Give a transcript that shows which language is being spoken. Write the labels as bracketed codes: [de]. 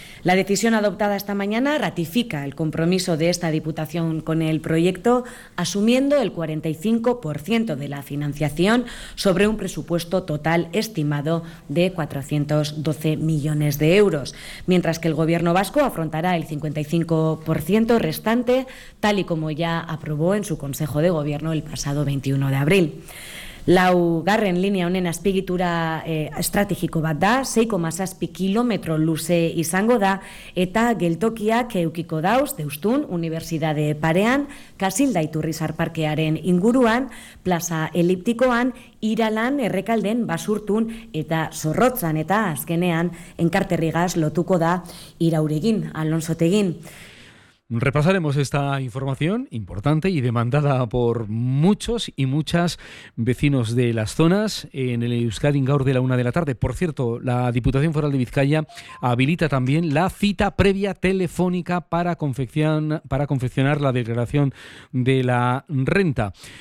[es] La decisión adoptada esta mañana ratifica el compromiso de esta Diputación con el proyecto, asumiendo el 45% de la financiación sobre un presupuesto total estimado de 412 millones de euros, mientras que el Gobierno Vasco afrontará el 55% restante, tal y como ya aprobó en su Consejo de Gobierno el pasado 21 de abril. [eu] Laugarren linea honen azpigitura estrategiko bat da, 6,7 kilometro luze izango da, eta geltokiak eukiko dauz Deustun Unibertsitate parean, Kasilda Iturrizar parkearen inguruan, plaza eliptikoan, Iralan, Errekalden, Basurtun eta Zorrotzan, eta azkenean Enkarterrigaz lotuko da Irauregin, Alonsotegin. [es] Repasaremos esta información importante y demandada por muchos y muchas vecinos de las zonas en el Euskadi Gaur de la 1 de la tarde. Por cierto, la Diputación Foral de Vizcaya habilita también la cita previa telefónica para confeccionar la declaración de la renta.